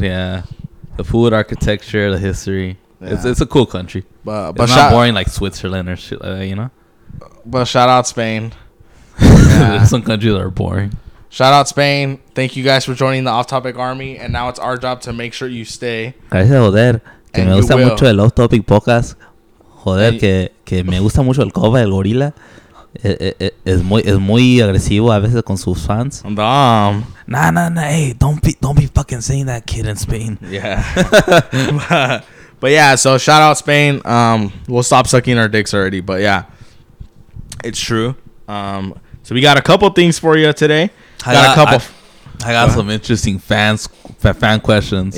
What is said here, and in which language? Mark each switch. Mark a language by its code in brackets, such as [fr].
[en] Yeah. The food, architecture, the history. Yeah. It's a cool country. But it's not boring like Switzerland or shit like that, you know? But shout out Spain. Yeah. Some countries are boring. Shout out Spain. Thank you guys for joining the Off-Topic Army. And now it's our job to make sure you stay. [es] Gracias, joder. Que me gusta mucho el Off-Topic podcast. Joder, que me gusta mucho el Koba, el Gorila. Es muy agresivo a veces con sus fans. [en] Damn. Nah, hey, don't be fucking saying that kid in Spain. Yeah. But yeah, so shout out Spain. We'll stop sucking our dicks already, but yeah. It's true. So we got a couple things for you today. Some interesting fan questions.